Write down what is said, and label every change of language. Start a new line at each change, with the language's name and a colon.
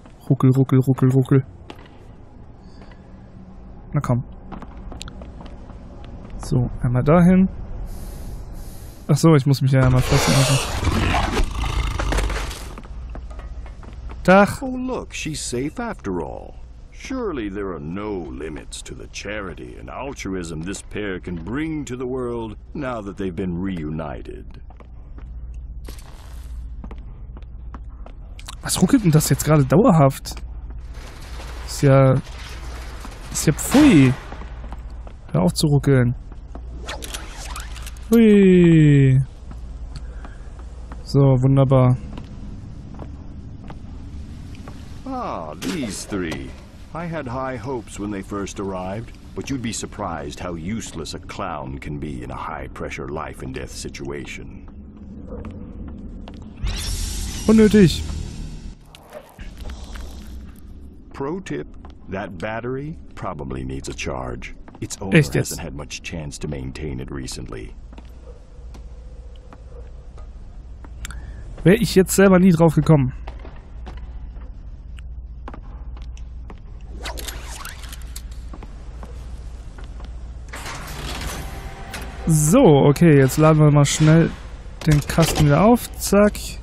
German: Ruckel, ruckel, ruckel, ruckel. Na komm. So, einmal dahin. Ach so, ich muss mich ja einmal fressen lassen. Tag.
English: Oh, look, she's safe after all. Surely there are no limits to the charity and altruism this pair can bring to the world now that they've been reunited.
German: Was ruckelt denn das jetzt gerade dauerhaft? Ist ja pfui. Hör auf zu ruckeln. Pfui. So, wunderbar.
English: Ah, these three. I had high hopes when they first arrived, but you'd be surprised how useless a clown can be in a high-pressure life-and-death situation.
German: Unnötig.
English: Pro tip, that battery probably needs a charge. Its owner hasn't had much chance to maintain it recently.
German: Wäre ich jetzt selber nie drauf gekommen. So, okay, jetzt laden wir mal schnell den Kasten wieder auf. Zack.